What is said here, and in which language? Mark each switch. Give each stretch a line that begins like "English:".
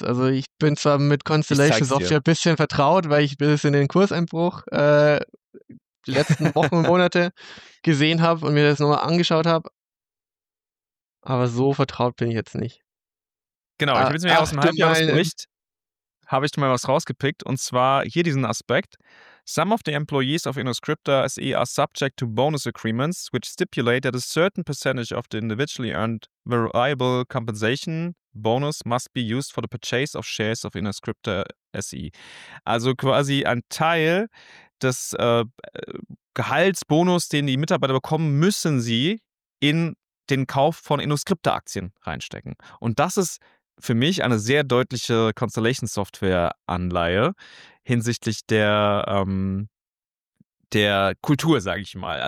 German: Also ich bin zwar mit Constellation Software ein bisschen vertraut, weil ich bis in den Kurseinbruch die letzten Wochen und Monate gesehen habe und mir das nochmal angeschaut habe. Aber so vertraut bin ich jetzt nicht. Genau, ich habe jetzt mir aus dem Halbjahresbericht habe ich mal was rausgepickt und zwar hier diesen Aspekt.
English: Some of the employees of Innoscripta SE are subject to bonus agreements, which stipulate that a certain percentage of the individually earned variable compensation bonus must be used for the purchase of shares of Innoscripta SE.
German: Also quasi ein Teil des Gehaltsbonus, den die Mitarbeiter bekommen, müssen sie in den Kauf von Innoscripta-Aktien reinstecken. Und das ist für mich eine sehr deutliche Constellation-Software-Anleihe hinsichtlich der Kultur, sage ich mal.